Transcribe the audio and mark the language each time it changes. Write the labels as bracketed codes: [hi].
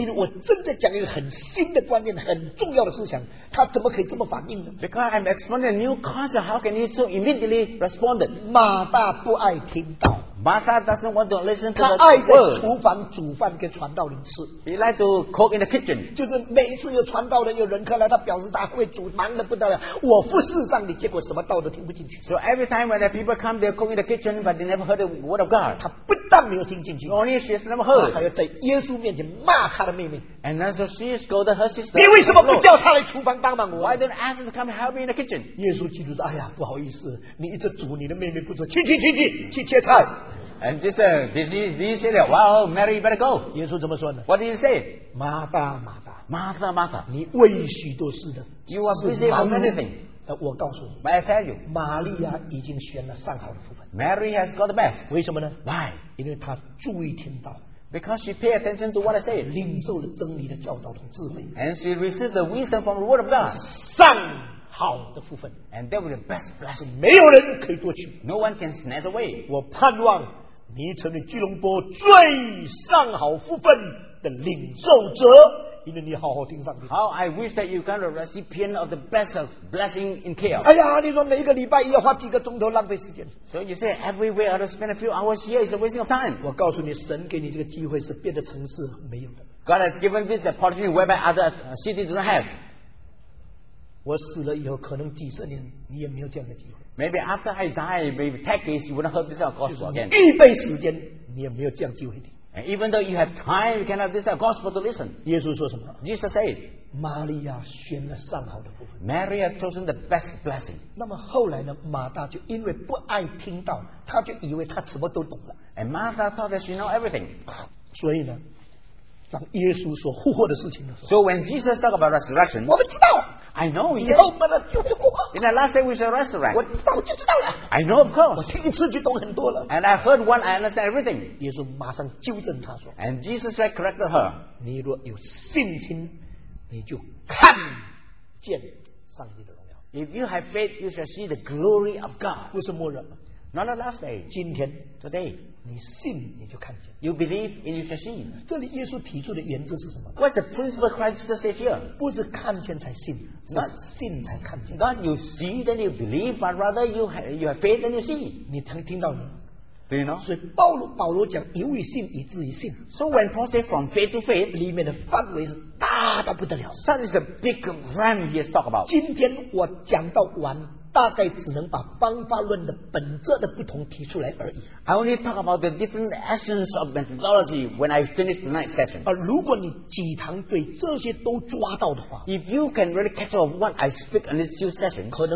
[zh] 因为我正在讲一个很新的观念，很重要的思想，他怎么可以这么反应呢？ [en] Because I'm explaining a new concept, how can he so immediately respond? [zh] 马大不爱听到。 [en] Martha doesn't want to listen to the word. [zh] 他爱在厨房煮饭给传道人吃。 [en] He likes to cook in the kitchen. [zh] 就是每一次有传道人有人客来，他表示他会煮，忙得不得了。我服侍上帝，结果什么道都听不进去。 [en] So every time when the people come, they cook in the kitchen, but they never heard the word of God. [zh] 他不但没有听进去 [en] ，Only she has never heard. [zh] 还要在耶稣面前骂他的妹妹。 [en] And so she scolded her sister. [zh] 你为什么不叫他来厨房帮忙我 [en] ？Why don't ask him to come help me in the kitchen? [zh] 耶稣基督说：“哎呀，不好意思，你一直煮，你的妹妹不做，去切菜。” [en] And just did he say that? Wow, Mary, you better go. [zh] 耶稣怎么说呢？ [en] What did he say? [zh] 马大，马大， [en] Martha, Martha. [zh] 你为许多事的， [en] You are busy for many things. [zh] 我告诉你， [en] But I tell you, [zh] 玛利亚已经选了上好的部分。 [en] Mary has got the best. [zh] 为什么呢？ [en] Why? [zh] 因为她注意听到。 [en] Because she paid attention to what I said. [zh] 领受了真理的教导和智慧。 [en] And she received the wisdom from the word of God. [zh] 上好的部分。 [en] And that was the best blessing. [zh] 没有人可以夺取。 [en] No one can snatch away. [zh] 我盼望你成为基隆坡最上好福分的领受者，因为你好好听上帝。 [en] How I wish that you got a recipient of the best of blessing in KL. [zh] 哎呀，你说每一个礼拜要花几个钟头浪费时间。 [en] So you say every week I have to spend a few hours here is a wasting of time. [zh] 我告诉你，神给你这个机会是别的城市没有的。 [en] God has given this opportunity whereby other cities do not have. [zh] 我死了以后，可能几十年你也没有这样的机会。 [en] Maybe after I die, maybe decades, you wouldn't have heard this gospel again. [zh] 预备时间，你也没有这样机会的。 [en] And even though you have time, you cannot decide. God's supposed to listen. [zh] 耶稣说什么? [en] Jesus said, [zh] 玛利亚选了上好的福分, [en] Mary has chosen the best blessing. [zh] 那么后来呢, 马大就因为不爱听到, 她就以为她什么都懂了。 [en] And Martha thought that she knows everything. [zh] 所以呢, 当耶稣说复活的事情的时候, [en] so when Jesus talked about resurrection, [zh] 我们知道, [en] I know, he said, in the last day we shall resurrect. [zh] 我早就知道了, [en] I know, of course. [zh] 我听一次就懂很多了, [en] and I heard one, I understand everything. [zh] 耶稣马上纠正他说, [en] and Jesus had corrected her. [zh] 你若有信心, 你就看见上帝的荣耀。 [en] If you have faith, you shall see the glory of God. [zh] 不是末日, [en] not the last day. [zh] 今天, [en] today. [zh] 你信你就看见, [en] you believe and you shall see. [zh] 这里耶稣提出的原则是什么? [en] What's the principle of Christ Jesus said here? [zh] 不是看见才信, 是信才看见。 [en] Not you see then you believe, but rather you have faith and you see. [zh] 你听到吗? [en] Do you know? [zh] 所以保罗讲由于信以至于信。 [en] So when Paul said from faith to faith, [zh] 里面的范围是大到不得了。 [en] Such is the big realm he has talked about. [zh] 今天我讲到完, 大概只能把方法论的本质的不同提出来而已。 [en] I only talk about the different essence of methodology when I finish tonight's session. [zh] 而如果你几堂对这些都抓到的话, [en] if you can really catch up of what I speak in this two sessions,